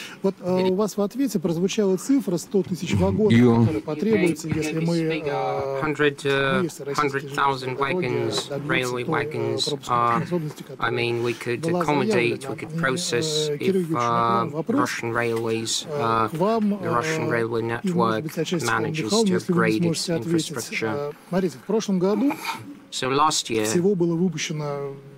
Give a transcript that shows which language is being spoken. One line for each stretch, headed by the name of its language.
Russian: Вот у вас в ответе прозвучала цифра 100 тысяч вагонов, которые потребуются, если мы
English: 100,000 wagons, railway wagons, I mean, we could accommodate, we could process if Russian railways, the Russian railway network manages to upgrade its infрастructure.
Russian: Смотрите, в прошлом году всего было выпущено